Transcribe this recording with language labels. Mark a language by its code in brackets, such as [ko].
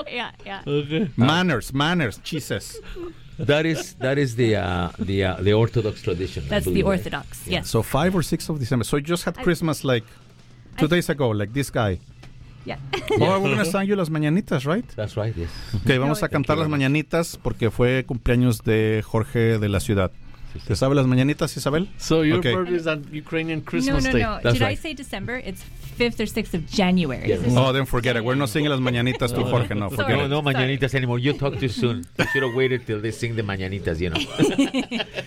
[en] Yeah. Okay. Manners, Jesus. That is the Orthodox tradition. That's the Orthodox, right? Yes. So 5 or 6 of December. So you just had Christmas like 2 days ago, like this guy. Yeah. Oh, we're going to sing you Las Mañanitas, right? That's right, yes. [es] Okay, vamos a cantar Las Mañanitas porque fue cumpleaños de Jorge de la Ciudad. ¿Te sabe Las Mañanitas, Isabel? [en] So your birthday is on Ukrainian Christmas Day. No. That's I say December? It's 5th or 6th of January. Yes. Oh, then forget it. We're not singing Las Mañanitas to Jorge. No, Mañanitas anymore. You talk too soon. You should have waited till they sing the Mañanitas, you know.